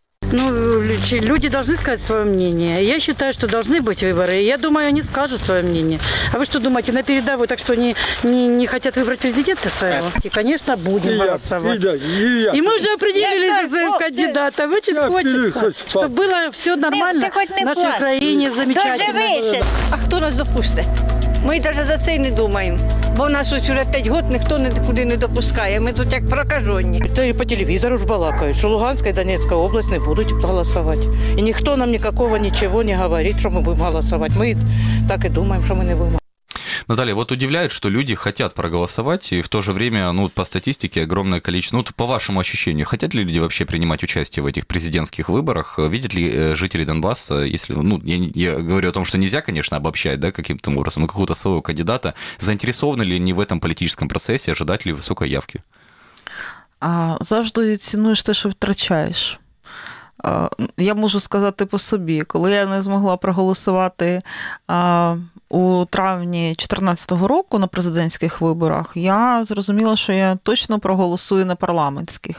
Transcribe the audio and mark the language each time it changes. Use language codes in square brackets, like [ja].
[ru] Ну, люди должны сказать свое мнение. Я считаю, что должны быть выборы. И я думаю, они скажут свое мнение. А вы что думаете, на передовую, так что они не хотят выбрать президента своего? И, конечно, будем голосовать. И мы уже определились за кандидата. Очень хочется, чтобы было все нормально в нашей Украине, замечательно. А кто нас допустит? [uk] Ми даже за це не думаємо, бо нас ось уже 5 років ніхто нікуди не допускає, ми тут як прокажені. Та і по телевізору ж балакають, що Луганська і Донецька область не будуть голосувати. І ніхто нам нікакого нічого не говорить, що ми будемо голосувати. Ми так і думаємо, що ми не будемо. [ru] Наталья, вот удивляет, что люди хотят проголосовать, и в то же время, ну, по статистике, огромное количество, ну, по вашему ощущению, хотят ли люди вообще принимать участие в этих президентских выборах? Видят ли жители Донбасса, если, ну, я говорю о том, что нельзя, конечно, обобщать, да, каким-то образом, но какого-то своего кандидата, заинтересованы ли они в этом политическом процессе, ожидают ли высокой явки? [uk] Завжди цінуєш те, що втрачаєш. Я можу сказати по собі, коли я не змогла проголосувати у травні 2014 року на президентських виборах, я зрозуміла, що я точно проголосую на парламентських.